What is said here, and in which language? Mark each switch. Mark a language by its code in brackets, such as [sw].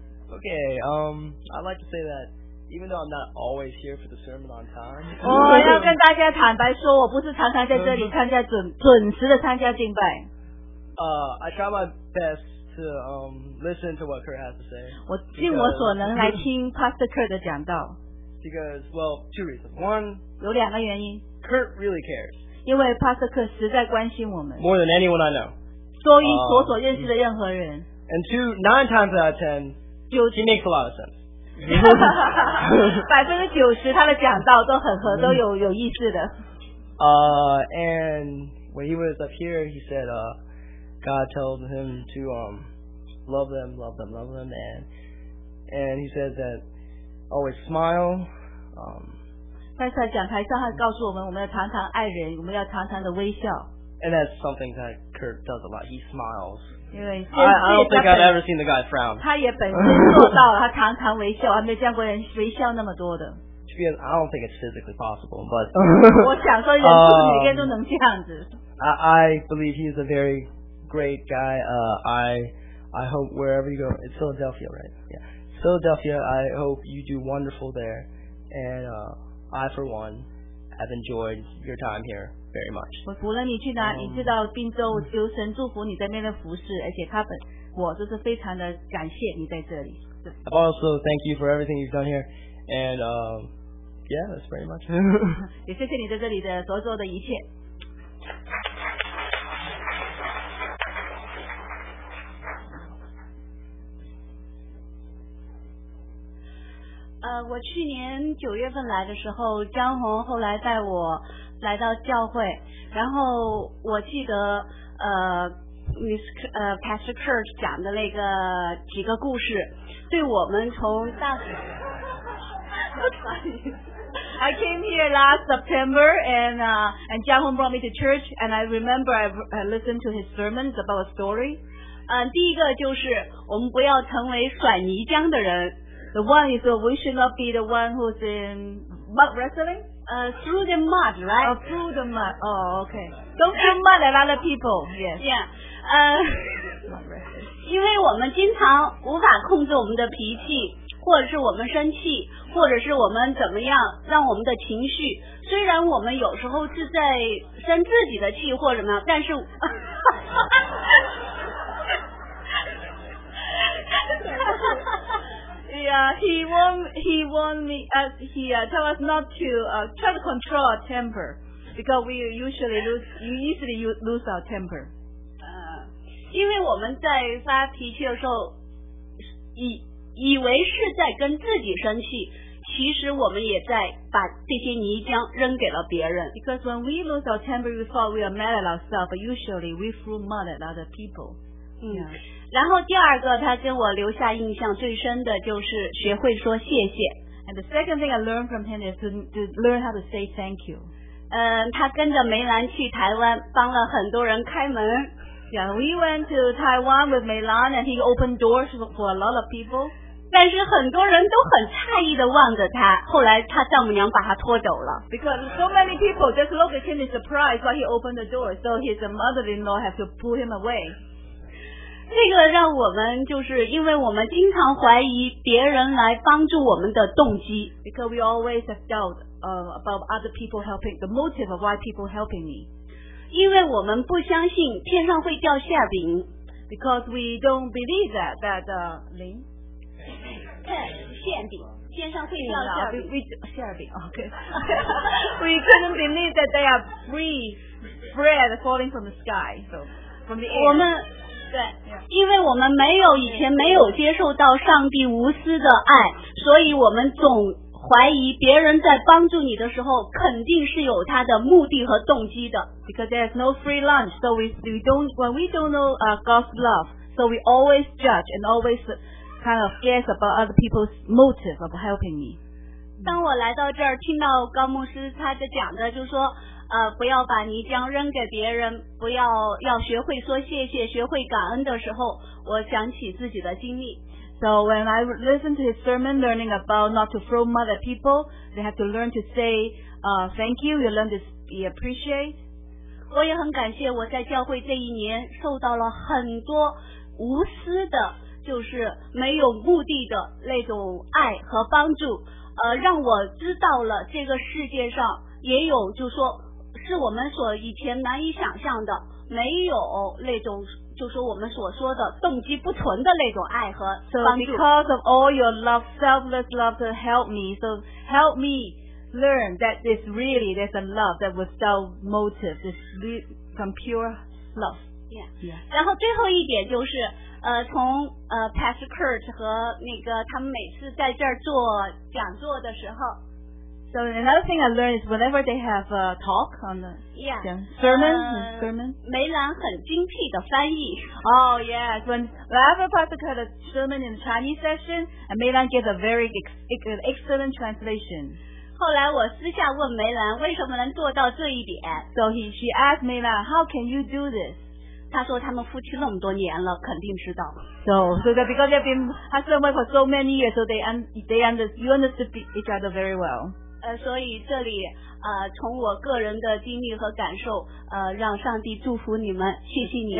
[en] Okay, I'd like to say that even though I'm not always here for the sermon on time, [zh] 我要跟大家坦白说，我不是常常在这里参加准时的参加敬拜。 [en] I try my best to listen to what Kurt has to say. [zh] 我尽我所能来听 Pastor Kurt的讲道。 [en] Because, well, two reasons. One, [zh] 有两个原因。 [en] Kurt really cares. [zh] 因为 Pastor Kurt实在关心我们。 [en] More than anyone I know. [zh] 多于所认识的任何人。 [en] And two, 9 times out of 10, he makes a lot of sense. [zh] 90%他的讲道都很合，都有意思的。 [en] And when he was up here, he said, God tells him to love them, and he said that always smile. [zh] 但是在讲台上他告诉我们，我们要常常爱人，我们要常常的微笑。 [en] And that's something that Kurt does a lot. He smiles. I don't think I've ever seen the guy frown. [zh] 他也本身做到了，他常常微笑，我还没见过人微笑那么多的。 [en] I don't think it's physically possible, but [zh] 我想说人是每天都能这样子。 [en] I believe he is a very great guy. I hope wherever you go, it's Philadelphia, right? Yeah, Philadelphia. I hope you do wonderful there, and I for one have enjoyed your time here very much. [zh] 我无论你去哪，你去到宾州，求神祝福你在那边的服事，而且他本我就是非常的感谢你在这里。 [en] I also thank you for everything you've done here, and yeah, that's pretty much. [zh] 也谢谢你在这里的所做的一切。我去年九月份来的时候，张红后来带我来到教会，然后我记得Pastor Kurt 讲的那个几个故事，对我们从大 [en] I came here last September and Jia Hong brought me to church and I remember I listened to his sermons about a story. [zh] 第一个就是我们不要成为甩泥浆的人。 [en] The one is we should not be the one who's in mud wrestling? Through the mud, right? Oh, through the mud. Oh, okay. Don't throw mud at other people. Yes. Yeah. [zh] 因为我们经常无法控制我们的脾气。或者是我们生气，或者是我们怎么样，让我们的情绪，虽然我们有时候是在生自己的气或者什么，但是， [en] yeah, he tell us not to try to control our temper because we usually lose our temper. [zh] 因为我们在发脾气的时候，以为是在跟自己生气，其实我们也在把这些泥浆扔给了别人。 [en] Because when we lose our temper, we thought we are mad at ourselves, but usually we threw mud at other people. 嗯、 yeah. ， [zh] 然后第二个，他给我留下印象最深的就是学会说谢谢。 [en] And the second thing I learned from him is to learn how to say thank you. [zh] 他跟着梅兰去台湾，帮了很多人开门。 [en] Yeah, we went to Taiwan with Milan and he opened doors for a lot of people. [zh] 但是很多人都很诧异地望着他，后来他丈母娘把他拖走了。 [en] Because so many people just look at him in surprise while he opened the door, so his mother-in-law had to pull him away. [zh] 这个让我们就是因为我们经常怀疑别人来帮助我们的动机。 [en] Because we always have doubt about other people helping, the motive of why people helping me. [zh] 因为我们不相信天上会掉馅饼 [en] ，because we don't believe that 零， [zh] 馅饼，天上会掉馅饼 [en] ，OK，we couldn't believe that there are free bread falling from the sky, so from the air. [zh] 我们对，因为我们没有以前没有接受到上帝无私的爱，所以我们总怀疑别人在帮助你的时候，肯定是有他的目的和动机的。 [en] Because there's no free lunch, so we don't know God's love, so we always judge and always kind of guess about other people's motive of helping me. [zh] 当我来到这儿，听到高牧师他在讲的，就是说，不要把泥浆扔给别人，不要要学会说谢谢，学会感恩的时候，我想起自己的经历。 [en] So when I listened to his sermon, learning about not to throw mud at people, they have to learn to say thank you, you learn to be appreciate. [zh] 我也很感谢我在教会这一年受到了很多无私的，就是没有目的的那种爱和帮助，让我知道了这个世界上也有，就说是我们所以前难以想象的，没有那种就说我们所说的动机不纯的那种爱和帮助。 [en] So because of all your love, selfless love to help me, so help me learn that this really there's a love that without motive, this from pure love. Yeah. Yeah. [zh] 然后最后一点就是，从Pastor Kurt 和那个他们每次在这儿做讲座的时候。 [en] So another thing I learned is whenever they have a talk on the sermon. [zh] 梅兰很精辟的翻译。 [en] Oh yes, whenever Pastor Kurt had a sermon in the Chinese session, and 梅兰 gave a very excellent translation. [zh] 后来我私下问梅兰为什么能做到这一点。 [en] So she asked Meilan, how can you do this? [zh] 她说他们夫妻那么多年了，肯定知道。 [en] So that because they've been husband and wife for so many years, so they understood each other very well. [zh] 所以这里从我个人的经历和感受让上帝祝福你们，谢谢你。